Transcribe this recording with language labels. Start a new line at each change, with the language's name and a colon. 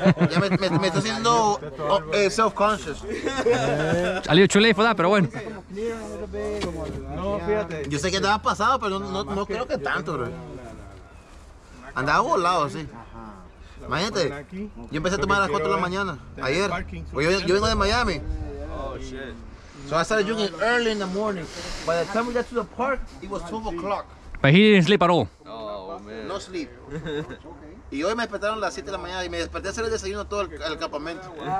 Spanish: Ya me está haciendo self-conscious. Salió chulé y fue, pero bueno. No, fíjate. Yo sé que andaba pasado, pero no creo que tanto, bro. Andaba volado, sí. Imagínate, yo empecé a tomar a las 4 de la mañana, ayer. Yo vengo de Miami.
English: Oh, shit. So I started drinking early in the morning. By the time we got to the park, it was 12 o'clock. But he didn't sleep at all. Oh, man. No sleep.
Spanish: Y hoy me despertaron a las 7 de la mañana y me desperté a hacer el desayuno todo el campamento.